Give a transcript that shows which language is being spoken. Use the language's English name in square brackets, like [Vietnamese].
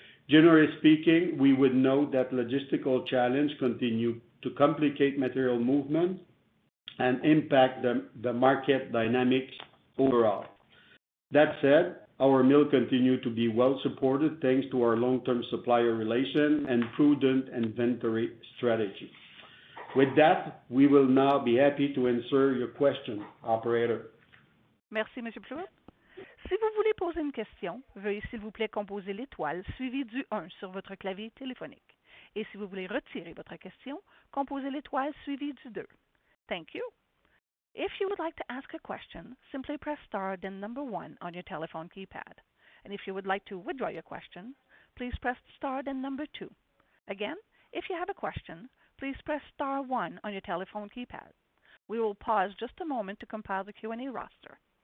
[English] Generally speaking, we would note that logistical challenges continue to complicate material movement and impact the market dynamics overall. That said, our mill continue to be well supported thanks to our long-term supplier relation and prudent inventory strategy. With that, we will now be happy to answer your question, operator. [French] Merci, Monsieur Plouin. Si vous voulez poser une question, veuillez s'il vous plaît composer l'étoile suivie du 1 sur votre clavier téléphonique. Et si vous voulez retirer votre question, composez l'étoile suivie du 2. [English] Thank you. If you would like to ask a question, simply press star then number 1 on your telephone keypad. And if you would like to withdraw your question, please press star then number 2. Again, if you have a question, please press star 1 on your telephone keypad. We will pause just a moment to compile the Q&A roster.